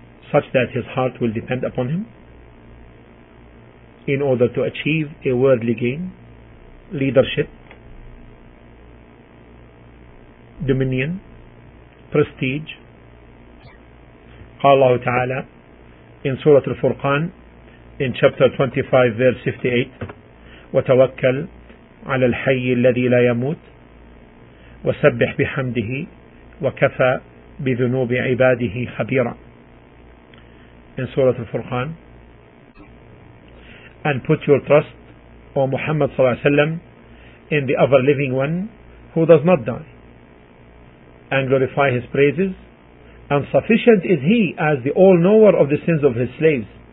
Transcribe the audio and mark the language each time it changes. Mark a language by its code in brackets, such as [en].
[en] such that his heart will depend upon Him in order to achieve a worldly gain, leadership, dominion, prestige. [ar] قال الله تعالى in سورة الفرقان [en] in chapter 25 verse 58, [ar] وتوكل على الحي الذي لا يموت وسبح بحمده وكفى بذنوب عباده خبيرا. [en] In سورة الفرقان, and put your trust, O Muhammad [ar] صلى الله عليه وسلم, [en] in the ever living one who does not die, and glorify his praises, and sufficient is he as the all-knower of the sins of his slaves.